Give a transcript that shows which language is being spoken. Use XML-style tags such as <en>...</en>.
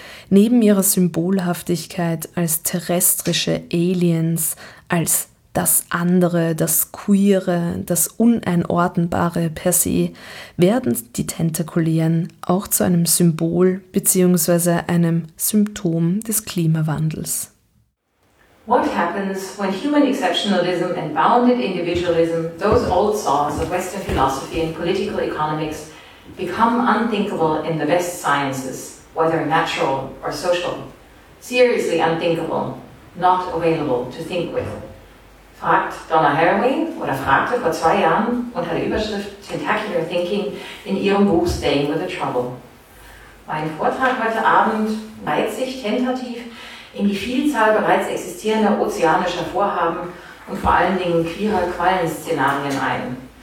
<de>Neben ihrer Symbolhaftigkeit als terrestrische Aliens, als das Andere, das Queere, das Uneinordnbare per se, werden die Tentakulären auch zu einem Symbol bzw. einem Symptom des Klimawandels.</de> <en>What happens when human exceptionalism and bounded individualism, those old songs of Western philosophy and political economics, become unthinkable in the best sciences, whether natural or social? Seriously unthinkable, not available to think with.</en> <de>Fragt Donna Haraway oder fragte vor zwei Jahren unter der Überschrift Tentacular Thinking in ihrem Buch Staying with the Trouble. Mein Vortrag heute Abend reiht sich tentativ in die Vielzahl bereits existierender ozeanischer Vorhaben und vor allen Dingen queerer Quallenszenarien ein.</de>